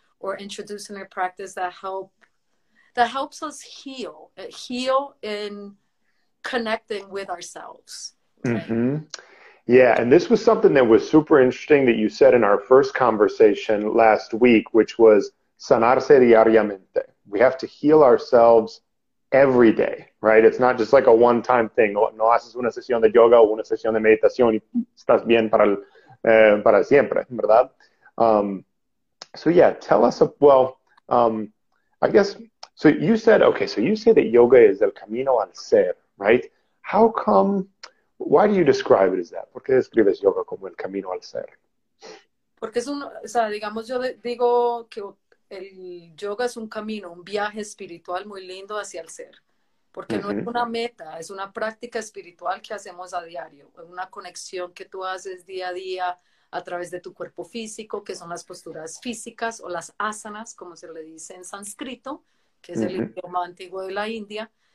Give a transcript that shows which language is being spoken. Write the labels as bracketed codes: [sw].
[en] Or introducing a practice that helps us heal in connecting with ourselves. Right? Mm-hmm. Yeah, and this was something that was super interesting that you said in our first conversation last week, which was [es] sanarse diariamente. [en] We have to heal ourselves every day, right? It's not just like a one-time thing. [es] No haces una sesión de yoga o una sesión de meditación y estás bien para siempre, ¿verdad? [en] So yeah, tell us, I guess, so you said, okay, so you say that yoga is [es] el camino al ser, [en] right? How come, why do you describe it as that? [es] ¿Por qué describes yoga como el camino al ser? Porque es un, o sea, digamos, yo digo que el yoga es un camino, un viaje espiritual muy lindo hacia el ser. Porque mm-hmm. no es una meta, es una práctica espiritual que hacemos a diario, una conexión que tú haces día a día, a través de tu cuerpo físico, que son las posturas físicas o las asanas, como se le dice en sánscrito, que es uh-huh. el idioma antiguo de la India.